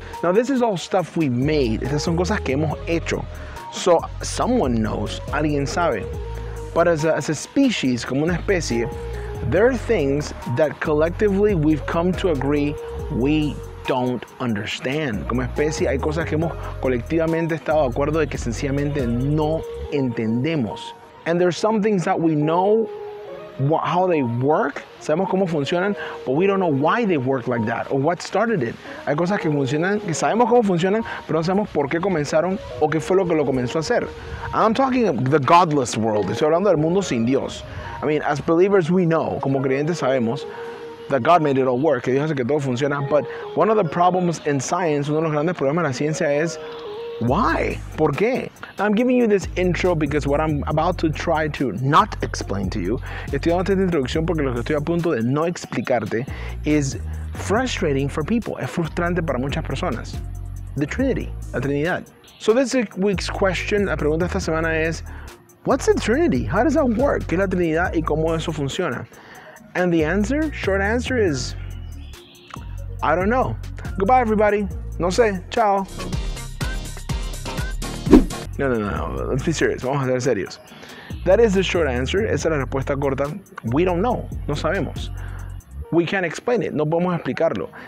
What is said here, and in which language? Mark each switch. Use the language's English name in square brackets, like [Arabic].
[English] Now this is all stuff we made, [Spanish] estas son cosas que hemos hecho. [English] So someone knows, [Spanish] alguien sabe. [English] But as a species, [Spanish] como una especie, [English] there are things that collectively we've come to agree we don't understand. [Spanish] Como especie hay cosas que hemos colectivamente estado de acuerdo de que sencillamente no entendemos. [English] And there are some things that we know how they work, [Spanish] sabemos cómo funcionan, [English] but we don't know why they work like that or what started it. [Spanish] Hay cosas que funcionan, que sabemos cómo funcionan, pero no sabemos por qué comenzaron o qué fue lo que lo comenzó a hacer. [English] And I'm talking of the godless world. [Spanish] Estoy hablando del mundo sin Dios. [English] I mean, as believers, we know, [Spanish] como creyentes sabemos, [English] that God made it all work, [Spanish] que Dios hace que todo funcione. [English] But one of the problems in science, [Spanish] uno de los grandes problemas en la ciencia es, [English] why? [Spanish] ¿Por qué? [English] Now, I'm giving you this intro because what I'm about to try to not explain to you, [Spanish] estoy dando esta introducción porque lo que estoy a punto de no explicarte [English] is frustrating for people. [Spanish] Es frustrante para muchas personas. [English] The Trinity, [Spanish] la Trinidad. [English] So this week's question, [Spanish] la pregunta esta semana es, [English] what's the Trinity? How does that work? [Spanish] ¿Qué es la Trinidad y cómo eso funciona? [English] And the answer, short answer is, I don't know. Goodbye, everybody. [Spanish] No sé. Chao. [English] No, let's be serious, [Spanish] vamos a ser serios. [English] That is the short answer, [Spanish] esa es la respuesta corta. [English] We don't know, [Spanish] no sabemos. [English] We can't explain it, [Spanish] no podemos explicarlo.